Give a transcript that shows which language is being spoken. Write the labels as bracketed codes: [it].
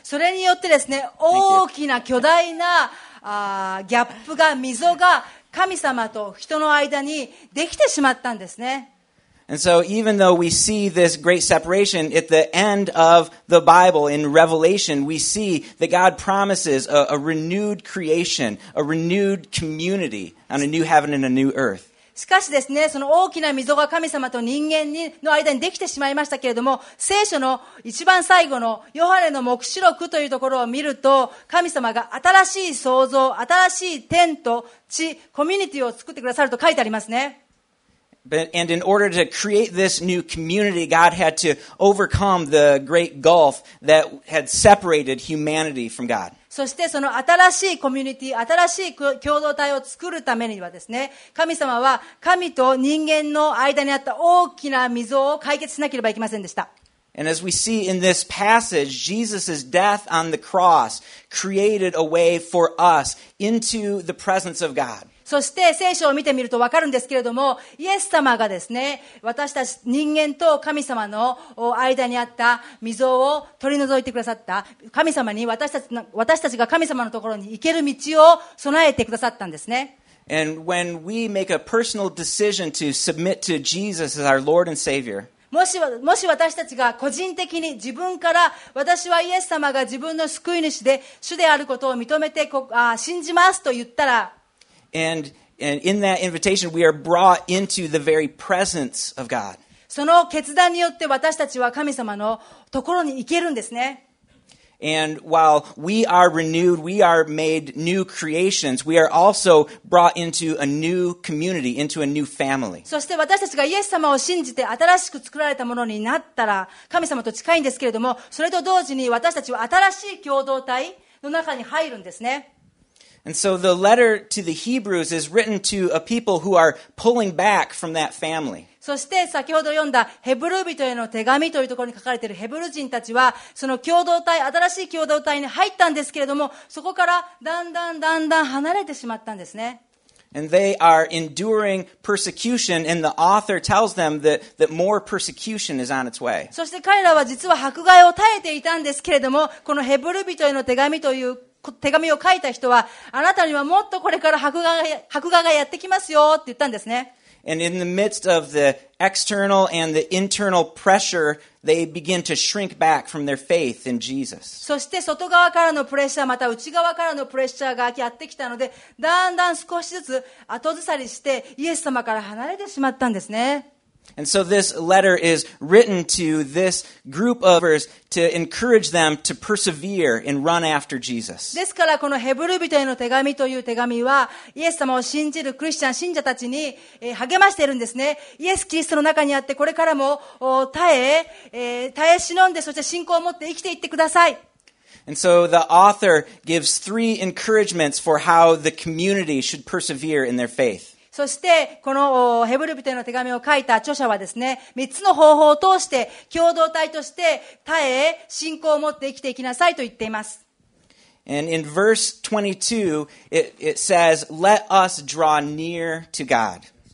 [ja] それによってですね、大きな巨大なギャップが溝が神様と人の間にできてしまったんですね。 [en] And so even though we see this great separation at the end of the Bible in Revelation, we see that God promises a renewed creation, a renewed community on a new heaven and a new earth. [ja] しかしですね、その大きな溝が神様と人間の間にできてしまいましたけれども、聖書の一番最後のヨハネの黙示録というところを見ると、神様が新しい創造、新しい天と地、コミュニティを作ってくださると書いてありますね。 [en] And in order to create this new community, God had to overcome the great gulf that had separated humanity from God. [ja] そしてその新しいコミュニティ、新しい共同体を作るためにはですね、神様は神と人間の間にあった大きな溝を解決しなければいけませんでした。 [en] And as we see in this passage, Jesus' death on the cross created a way for us into the presence of God. [ja] そして聖書を見てみると分かるんですけれども、イエス様がですね、私たち人間と神様の間にあった溝を取り除いてくださった、神様に私たちが神様のところに行ける道を備えてくださったんですね。 [en] And when we make a personal decision to submit to Jesus as our Lord and Savior, [ja] もし私たちが個人的に自分から私はイエス様が自分の救い主で主であることを認めて信じますと言ったら、 [en] And in that invitation, we are brought into the very presence of God. [ja] その決断によって私たちは神様のところに行けるんですね。 [en] And while we are renewed, we are made new creations, we are also brought into a new community, into a new family. [ja] そして私たちがイエス様を信じて新しく作られたものになったら、神様と近いんですけれども、それと同時に私たちは新しい共同体の中に入るんですね。 [en] And so the letter to the Hebrews is written to a people who are pulling back from that family. [ja] そして先ほど読んだヘブル人への手紙というところに書かれているヘブル人たちは、その共同体、新しい共同体に入ったんですけれども、そこからだんだんだんだん離れてしまったんですね。 [en] And they are enduring persecution, and the author tells them that more persecution is on its way. [ja] そして彼らは実は迫害を耐えていたんですけれども、このヘブル人への手紙という手紙を書いた人は、あなたにはもっとこれから迫害がやってきますよって言ったんですね。 [en] And in the midst of the external and the internal pressure, they begin to shrink back from their faith in Jesus. [ja] そして外側からのプレッシャー、また内側からのプレッシャーがやってきたので、だんだん少しずつ後ずさりしてイエス様から離れてしまったんですね。 [en] And so this letter is written to this group of believers to encourage them to persevere and run after Jesus. [ja] ですからこのヘブル人への手紙という手紙は、イエス様を信じるクリスチャン信者たちに励ましているんですね。イエスキリストの中にあってこれからも耐え忍んで、そして信仰を持って生きていってください。 [en] And so the author gives three encouragements for how the community should persevere in their faith. [ja] そしてこのヘブル人への手紙を書いた著者はですね、3つの方法を通して共同体として耐え信仰を持って生きていきなさいと言っています。 [en] And in verse 22 it says, let us draw near to God.